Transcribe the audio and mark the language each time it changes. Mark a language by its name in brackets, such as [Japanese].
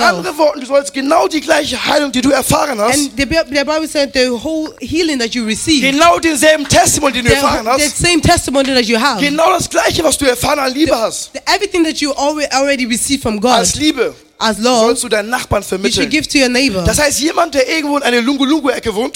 [German] In anderen Worten, du sollst genau die gleiche Heilung, die du erfahren hast, [English] and the Bible said the whole healing that you receive, [German] genau denselben Testimony, den du erfahren hast, [English] the same testimony that you have, [German] genau das gleiche, was du erfahren an Liebe hast, [English] everything that you already received from God, [German] als Liebe, [English] as Lord, [German] sollst du deinen Nachbarn vermitteln. [English] You should give to your neighbor. [German] Das heißt, jemand, der irgendwo in einer Lungu-Lungu-Ecke wohnt,